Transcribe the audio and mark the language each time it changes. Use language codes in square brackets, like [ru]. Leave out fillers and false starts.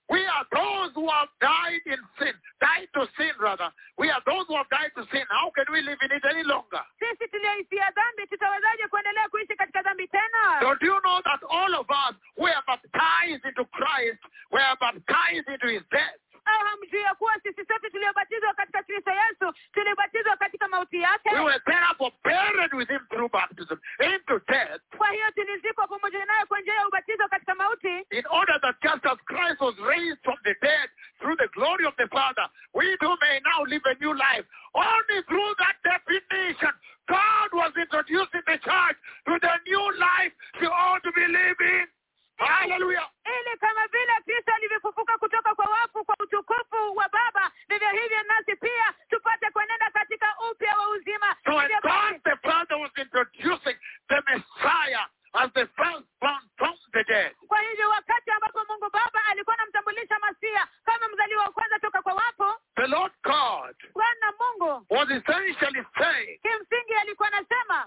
[en] We are those who have died in sin. Died to sin, rather. We are those who have died to sin. How can we live in it any longer? [sw] Sisi tuliyoifia dhambi, tutawezaje kuendelea kuishi katika dhambi tena? [en] Don't you know that all of us, we are baptized into Christ, we are baptized into his death? [sw] Au hamjui ya kuwa sisi sote tuliobatizwa katika Kristo Yesu, tulibatizwa katika mauti yake. [en] We were therefore buried with him through baptism into death. [sw] Kwa hiyo tulizikwa pamoja naye kwa njia ya ubatizo katika mauti. [en] In order that just as Christ was raised from the dead through the glory of the Father, we too may now live a new life. Only through that definition, God was introducing the church to the new life she ought to be living. Hallelujah. [sw] Ili kama vile Kristo alivyofufuka kutoka kwa wafu kwa utukufu wa Baba, vivyo hivyo nasi pia tupate kuenenda katika upya wa uzima. [en] So when God the Father was introducing the Messiah as the firstborn from the dead. [sw] Kwa hivyo wakati ambapo Mungu Baba alikuwa anamtambulisha Masia kama mzaliwa wa kwanza toka kwa wafu. [en] The Lord God. [sw] Bwana Mungu. [en] Was essentially saying. [sw] Kimsingi alikuwa anasema.